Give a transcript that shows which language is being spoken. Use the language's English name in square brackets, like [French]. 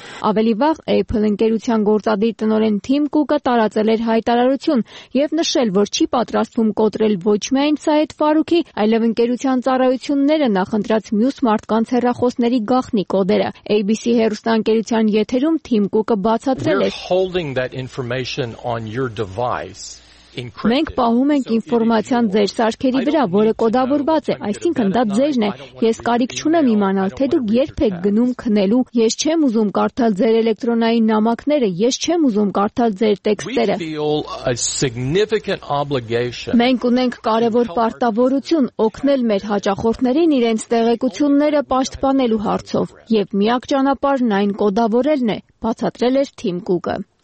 [Armenian] Ավելի վաղ Apple ընկերության գործադիր տնօրեն Թիմ Կուկը տարածել էր հայտարարություն և նշել, որ չի պատրաստվում կոտրել ոչ միայն Սայեդ Ֆարուկի, այլև ընկերության ծառայությունները նախընտրած մյուս մարդկանց հեռախոսների գաղտնի կոդերը։ ABC հեռուստաընկերության եթերում Թիմ Կուկը բացատրել է. [English] They're holding that information on your device [Armenian] Մենք պահում ենք ինֆորմացիան ձեր սարքերի վրա, որը կոդավորված է, այսինքն դա ձերն է։ Ես կարիք չունեմ իմանալ, թե դուք երբ եք գնում քնելու, ես չեմ ուզում կարդալ ձեր էլեկտրոնային նամակները, ես չեմ ուզում կարդալ ձեր տեքստերը։ Մենք ունենք կարևոր պարտավորություն օգնել մեր հաճախորդներին իրենց տեղեկությունները պաշտպանելու հարցով, և միակ ճանապարհն այն կոդավորելն է, բացատրել էր Թիմ Կուկը։